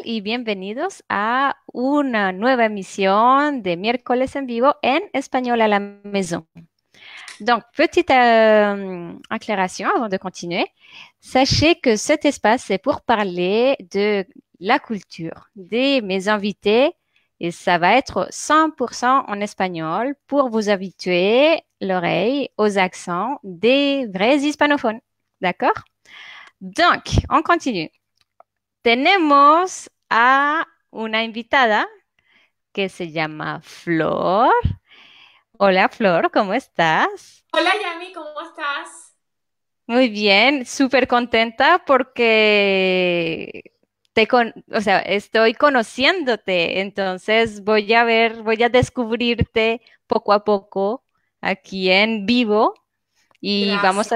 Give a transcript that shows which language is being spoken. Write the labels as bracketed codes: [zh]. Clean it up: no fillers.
[es] Y bienvenidos a una nueva emisión de Miércoles en Vivo en Español a la Maison. [fr] Donc, petite aclaración avant de continuer. Sachez que cet espace est pour parler de la culture de mes invités et ça va être 100% en espagnol pour vous habituer l'oreille aux accents des vrais hispanophones. D'accord? Donc, on continue. [es] Tenemos a una invitada que se llama Flor. Hola Flor, ¿cómo estás? Hola Yami, ¿cómo estás? Muy bien, súper contenta porque o sea, estoy conociéndote, entonces voy a descubrirte poco a poco aquí en vivo y vamos a